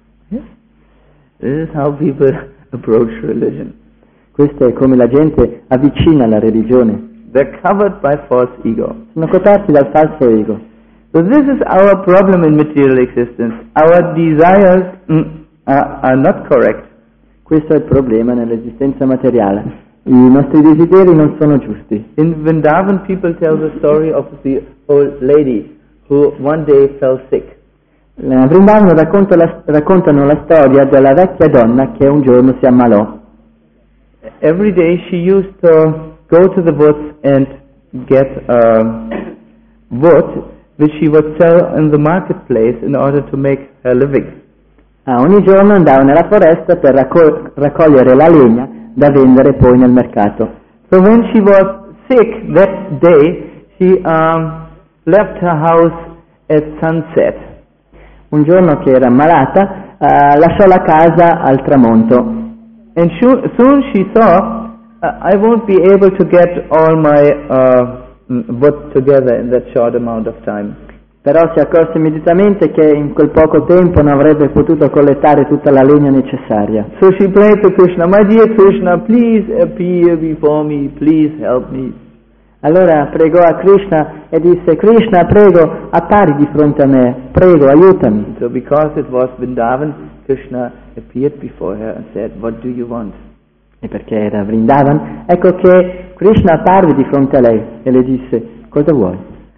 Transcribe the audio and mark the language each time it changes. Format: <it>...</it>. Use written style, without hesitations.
<en>This is how people approach religion.</en> <it>Questo è come la gente avvicina la religione.</it> <en>They're covered by false ego.</en> <it>Sono coperti dal falso ego.</it> <en>So this is our problem in material existence. Our desires are not correct.</en> <it>Questo è il problema nell'esistenza materiale. I nostri desideri non sono giusti.</it> <en>In Vrindavan people tell the story of the old lady who one day fell sick.</en> <it>A Vrindavan raccontano la storia della vecchia donna che un giorno si ammalò.</it> <en>Every day she used to go to the woods and get a wood which she would sell in the marketplace in order to make her living.</en> <it>Ogni giorno andava nella foresta per raccogliere la legna da vendere poi nel mercato.</it> <en>So when she was sick that day, she left her house at sunset.</en> <it>Un giorno che era ammalata, lasciò la casa al tramonto.</it> <en>And soon she saw, I won't be able to get all my wood together in that short amount of time.</en> <it>Però si accorse immediatamente che in quel poco tempo non avrebbe potuto collettare tutta la legna necessaria.</it> <en>So she prayed to Krishna, my dear Krishna, please appear before me, please help me.</en> <it>Allora pregò a Krishna e disse, Krishna, prego, appari di fronte a me, prego, aiutami.</it> <en>So because it was Vrindavan, Krishna appeared before her and said, what do you want?</en> <it>E perché era Vrindavan, ecco che Krishna apparve di fronte a lei e le disse, cosa vuoi?</it>